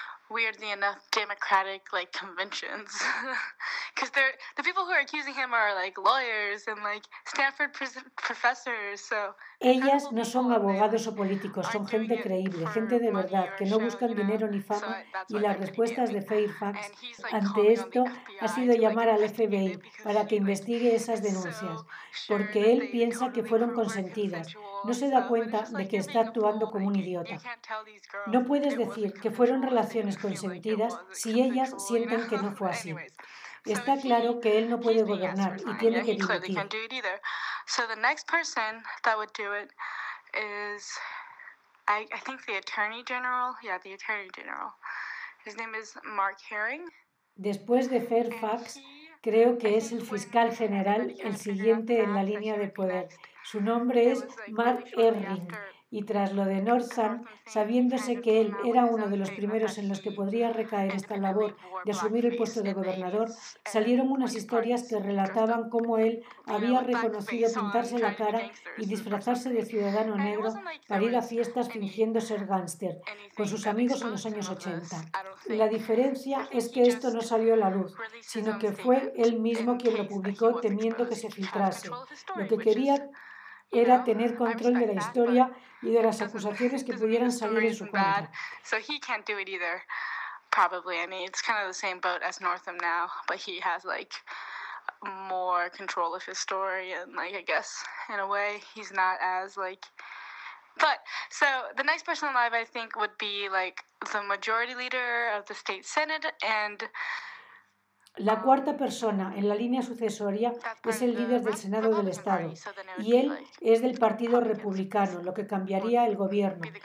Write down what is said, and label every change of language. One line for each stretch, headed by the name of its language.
English: Weirdly enough, democratic like conventions, because the people who are accusing him are like lawyers and like Stanford professors. So
Spanish: ellas no son abogados o políticos, son gente creíble, gente de verdad que no buscan dinero ni fama. Y las respuestas de Fairfax ante esto ha sido llamar al FBI para que investigue esas denuncias, porque él piensa que fueron consentidas. No se da cuenta de que está actuando como un idiota. No puedes decir que fueron relaciones consentidas si ellas sienten que no fue así. Está claro que él no puede gobernar y tiene que dimitir.
English: So the next person that would do it is, I think the attorney general. Yeah, the attorney general. His name is Mark Herring.
Spanish: Después de Fairfax, creo que es el fiscal general el siguiente en la línea de poder. Su nombre es Mark Herring. Y tras lo de Northam, sabiéndose que él era uno de los primeros en los que podría recaer esta labor de asumir el puesto de gobernador, salieron unas historias que relataban cómo él había reconocido pintarse la cara y disfrazarse de ciudadano negro para ir a fiestas fingiendo ser gánster con sus amigos en los años 80. La diferencia es que esto no salió a la luz, sino que fue él mismo quien lo publicó temiendo que se filtrase. Lo que quería era tener control de la historia y de las acusaciones que pudieran salir en su contra.
English: So he can't do it either, probably. I mean, it's kind of the same boat as Northam now, but he has like more control of his story, and like I guess in a way he's not as like. But so the next person alive, I think, would be like the majority leader of the state senate and.
Spanish: La cuarta persona en la línea sucesoria es el líder del Senado del Estado, y él es del Partido Republicano, lo que cambiaría el gobierno.